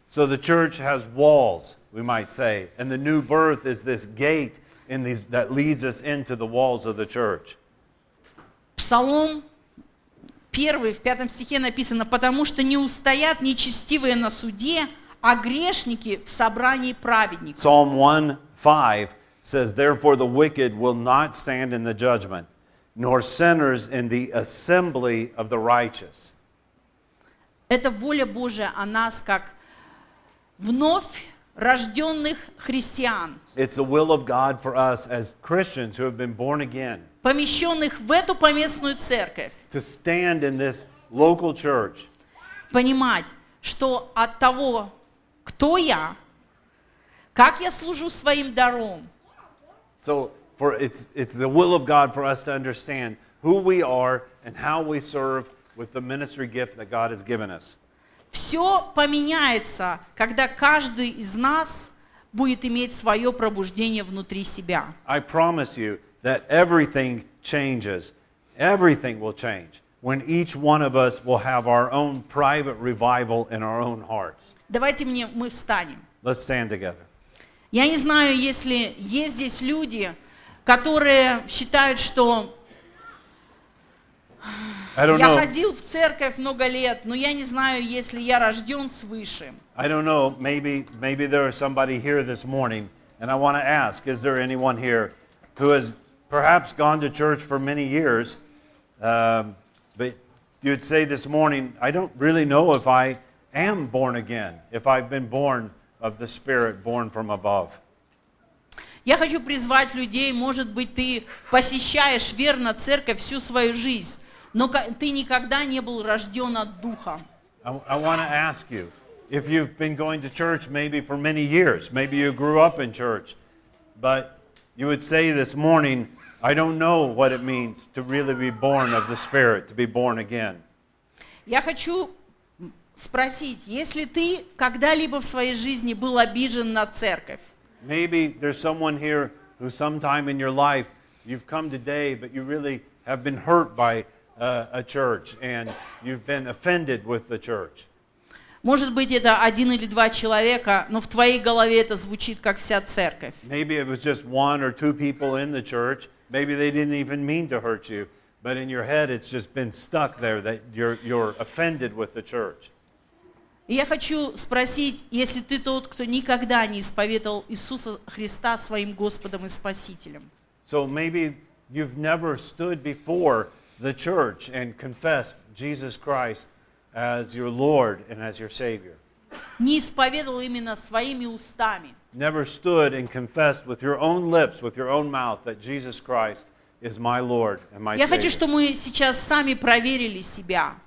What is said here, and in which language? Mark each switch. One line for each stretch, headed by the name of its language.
English: So the church has walls, we might say, and the new birth is this gate in these, that leads us into the walls of the church.
Russian: Псалом 1, в 5 стихе написано, «Потому что не устоят нечестивые на суде, а грешники в собрании праведников».
English: Psalm 1:5 says, «Therefore the wicked will not stand in the judgment, nor sinners in the assembly of the righteous».
Russian: Это воля Божия о нас, как вновь рожденных христиан.
English: It's the will of God for us as Christians who have been born again.
Russian: Помещенных в эту поместную церковь.
English: To stand in this local church.
Russian: Понимать, что от того, кто я, как я служу своим даром.
English: So, for it's the will of God for us to understand who we are and how we serve with the ministry gift that God has given us.
Russian: Все поменяется, когда каждый из нас будет иметь свое пробуждение внутри себя.
English: I promise you that everything changes. Everything will change when each one of us will have our own private revival in our own hearts.
Russian: Давайте мы встанем.
English: Let's stand together.
Russian: Я не знаю, если есть здесь люди, которые считают, что я ходил в церковь много лет, но я не знаю, если я рожден свыше.
English: I don't know. Maybe there is somebody here this morning, and I want to ask: is there anyone here who has perhaps gone to church for many years, but you'd say this morning, I don't really know if I am born again, if I've been born of the Spirit, born from above.
Russian: Я хочу призвать людей, может быть, ты посещаешь верно церковь всю свою жизнь, но ты никогда не был рожден от Духа.
English: I want to ask you, if you've been going to church maybe for many years, maybe you grew up in church, but you would say this morning, I don't know what it means to really be born of the Spirit, to be born again.
Russian: Я хочу спросить, если ты когда-либо в своей жизни был обижен на церковь,
English: maybe there's someone here who sometime in your life you've come today, but you really have been hurt by a church and you've been offended with the church.
Russian: Может быть, это один или два человека, но в твоей голове это звучит как вся церковь.
English: Maybe it was just one or two people in the church. Maybe they didn't even mean to hurt you, but in your head it's just been stuck there that you're offended with the church.
Russian: И я хочу спросить, если ты тот, кто никогда не исповедовал Иисуса Христа своим Господом и Спасителем.
English: So maybe you've never stood before the church and confessed Jesus Christ as your Lord and as your Savior.
Russian: Не исповедовал именно своими устами.
English: Never stood and confessed with your own lips, with your own mouth, that Jesus Christ is my Lord and my
Russian: я Я хочу, чтобы мы сейчас сами проверили себя.